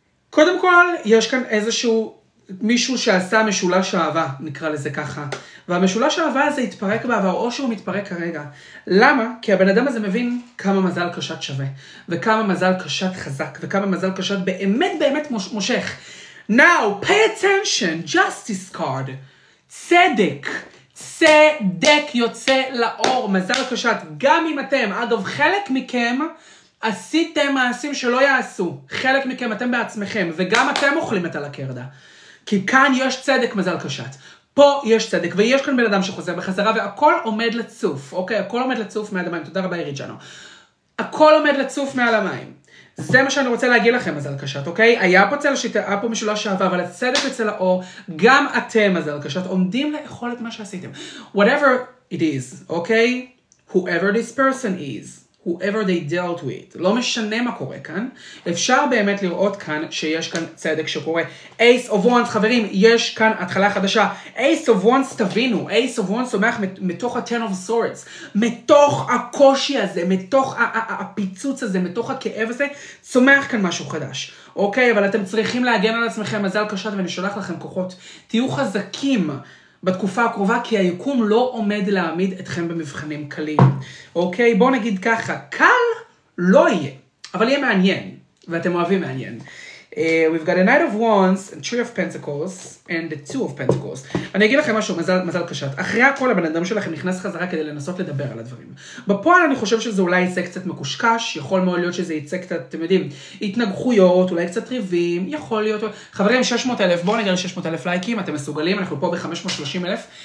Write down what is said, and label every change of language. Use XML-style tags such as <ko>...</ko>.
<he>קודם כל, יש כאן איזשהו... מישהו שעשה משולש אהבה, נקרא לזה ככה. והמשולש אהבה הזה התפרק בעבר, או שהוא מתפרק כרגע. למה? כי הבן אדם הזה מבין כמה מזל קשת שווה, וכמה מזל קשת חזק, וכמה מזל קשת באמת באמת מושך.</he> <en>Now, pay attention, justice card.</en> <he>צדק. צדק יוצא לאור, מזל קשת. גם אם אתם, אגב, חלק מכם... עשיתם מעשים שלא יעשו. חלק מכם, אתם בעצמכם, וגם אתם אוכלים את הלקרדה. כי כאן יש צדק, מזל קשת. פה יש צדק, ויש כאן בן אדם שחוזר בחזרה, והכל עומד לצוף, אוקיי? הכל עומד לצוף מעל המים. תודה רבה, איריג'נו. הכל עומד לצוף מעל המים. זה מה שאני רוצה להגיד לכם, מזל קשת, אוקיי? היה פה צל שיטה, פה משולש שעבר, אבל הצדק אצל האור, גם אתם, מזל קשת, עומדים לאכול את מה שעשיתם.</he> <en>Whatever it is, אוקיי? Whoever this person is. whoever they dealt with.</en> <he>לא משנה מה קורה כאן. אפשר באמת לראות כאן שיש כאן צדק שקורה. Ace of Wands, חברים, יש כאן התחלה חדשה. Ace of Wands, תבינו. Ace of Wands סומך מתוך ה-Ten of Swords. מתוך הקושי הזה, מתוך הפיצוץ הזה, מתוך הכאב הזה, סומך כאן משהו חדש. אוקיי, אבל אתם צריכים להגן על עצמכם. מזל קשת, ואני שולח לכם כוחות. תהיו חזקים. בתקופה הקרובה, כי היקום לא עומד להעמיד אתכם במבחנים קלים. אוקיי? בוא נגיד ככה. קל לא יהיה, אבל יהיה מעניין. ואתם אוהבים מעניין.</he> <en>We've got a Knight of Wands, a Tree of Pentacles, and the Two of Pentacles.</en> <he>אני אגיד לכם משהו, מזל קשת. אחרי הכל, הבן אדם שלכם נכנס חזרה כדי לנסות לדבר על הדברים. בפועל אני חושב שזה אולי יצא קצת מקושקש, יכול מאוד להיות שזה יצא קצת, אתם יודעים, התנגחויות, אולי קצת ריבים, יכול להיות... חברים, 600,000, בואו נגיע ל-600,000 לייקים, אתם מסוגלים, אנחנו פה ב-530,000.</he>